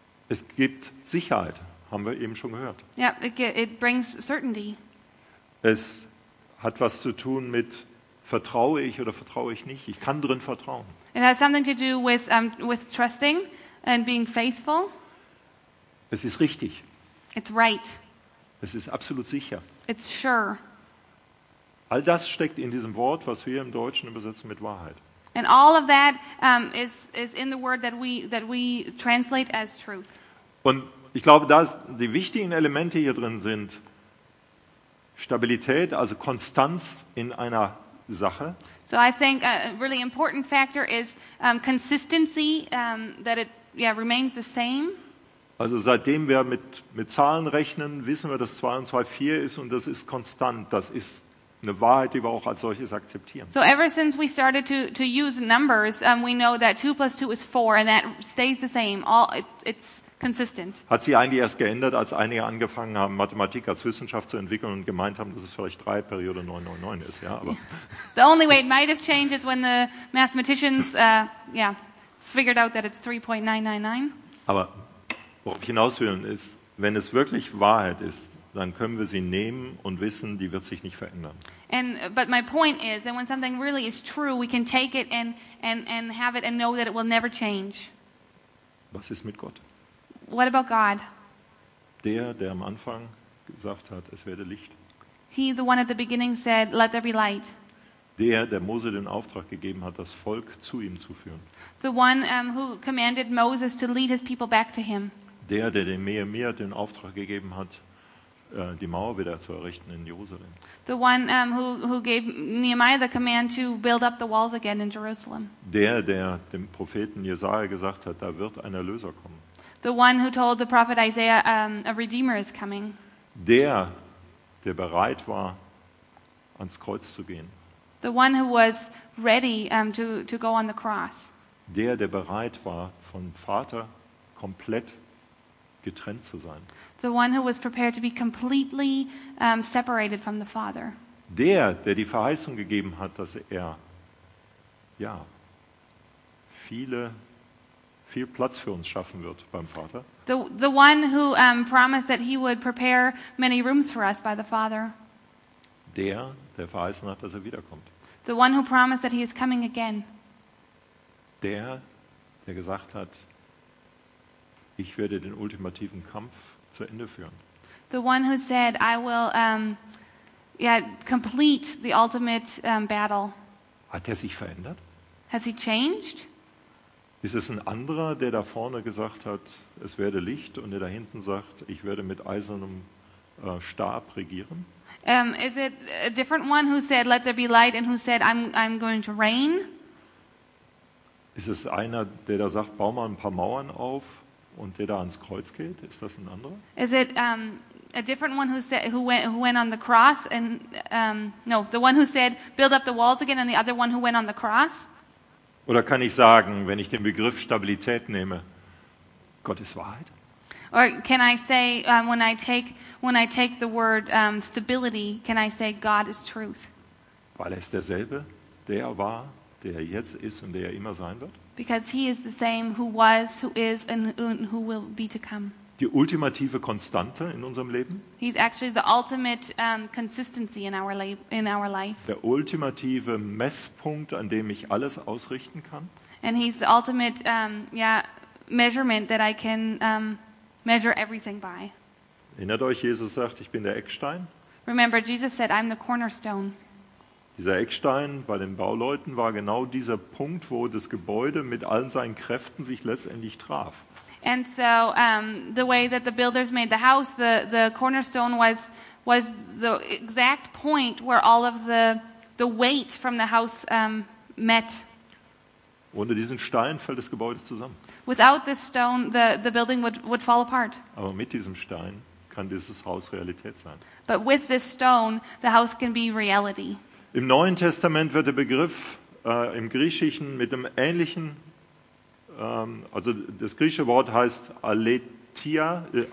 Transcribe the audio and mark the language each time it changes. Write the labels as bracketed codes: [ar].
[de] Es gibt Sicherheit, haben wir eben schon gehört. [en] Yeah, it brings certainty. [de] Es hat was zu tun mit, vertraue ich oder vertraue ich nicht? Ich kann drin vertrauen. [en] It has something to do with trusting and being faithful. [de] Es ist richtig. [en] It's right. [de] Es ist absolut sicher. [en] It's sure. [de] All das steckt in diesem Wort, was wir im Deutschen übersetzen mit Wahrheit. [en] And all of that is in the word that we translate as truth. [de] Und ich glaube, dass die wichtigen Elemente hier drin sind, Stabilität, also Konstanz in einer Sache. [en] So I think a really important factor is consistency, that it remains the same. [de] Also seitdem wir mit Zahlen rechnen, wissen wir, dass 2 und 2 4 ist und das ist konstant. Das ist eine Wahrheit, die wir auch als solches akzeptieren. [en] So ever since we started to use numbers, we know that 2 plus 2 is 4 and that stays the same. It's consistent. [de] Hat sich eigentlich erst geändert, als einige angefangen haben, Mathematik als Wissenschaft zu entwickeln und gemeint haben, dass es vielleicht 3 Periode 999 ist. Ja, aber [en] the only way it might have changed is when the mathematicians figured out that it's 3.999. [de] Aber worauf ich hinaus will, ist, wenn es wirklich Wahrheit ist, dann können wir sie nehmen und wissen, die wird sich nicht verändern. [en] But my point is that when something really is true, we can take it and have it and know that it will never change. [de] Was ist mit Gott? [en] What about God? [de] Der am Anfang gesagt hat, es werde Licht. [en] He, the one at the beginning said, let there be light. [de] Der Mose den Auftrag gegeben hat, das Volk zu ihm zu führen. [en] The one who commanded Moses to lead his people back to him. [de] Der dem Nehemiah den Auftrag gegeben hat, die Mauer wieder zu errichten in Jerusalem. [en] The one who gave Nehemiah the command to build up the walls again in Jerusalem. [de] Der dem Propheten Jesaja gesagt hat, da wird ein Erlöser kommen. [en] The one who told the prophet Isaiah, a redeemer is coming. [de] Der bereit war, ans Kreuz zu gehen. [en] The one who was ready to go on the cross. [de] Der bereit war, vom Vater komplett getrennt zu sein. [en] The one who was prepared to be completely separated from the Father. [de] Der die Verheißung gegeben hat, dass er viel Platz für uns schaffen wird beim Vater. [en] The one who promised that he would prepare many rooms for us by the Father. [de] Der verheißen hat, dass er wiederkommt. [en] The one who promised that he is coming again. [de] Der gesagt hat, ich werde den ultimativen Kampf zu Ende führen. [en] The one who said, I will complete the ultimate battle. [de] Hat er sich verändert? [en] Has he changed? [de] Ist es ein anderer, der da vorne gesagt hat, es werde Licht, und der da hinten sagt, ich werde mit eisernem Stab regieren? [en] Is it a different one who said, let there be light, and who said, I'm going to reign? [de] Ist es einer, der da sagt, bau mal ein paar Mauern auf, und der da ans Kreuz geht? Ist das ein anderer? [en] Is it a different one who said, who went on the cross, and the one who said, build up the walls again, and the other one who went on the cross? [de] Oder kann ich sagen, wenn ich den Begriff Stabilität nehme, Gott ist Wahrheit? [en] Or can I say when I take the word stability, can I say God is truth? [de] Weil er ist derselbe, der er war, der er jetzt ist und der er immer sein wird. [en] Because he is the same who was, who is and who will be to come. [de] Die ultimative Konstante in unserem Leben? [en] He's actually the ultimate consistency in our life. [de] Der ultimative Messpunkt, an dem ich alles ausrichten kann? [en] And he's the ultimate measurement that I can measure everything by. [de] Erinnert euch, Jesus sagt, ich bin der Eckstein? [en] Remember, Jesus said, I'm the cornerstone. [de] Dieser Eckstein bei den Bauleuten war genau dieser Punkt, wo das Gebäude mit allen seinen Kräften sich letztendlich traf. [en] And so the way that the builders made the house, the cornerstone was the exact point where all of the weight from the house met. [de] Ohne diesen Stein fällt das Gebäude zusammen. [en] Without this stone, the building would fall apart. [de] Aber mit diesem Stein kann dieses Haus Realität sein. [en] But with this stone, the house can be reality. [de] Im Neuen Testament wird der Begriff im Griechischen mit einem ähnlichen, also das griechische Wort heißt aletheia.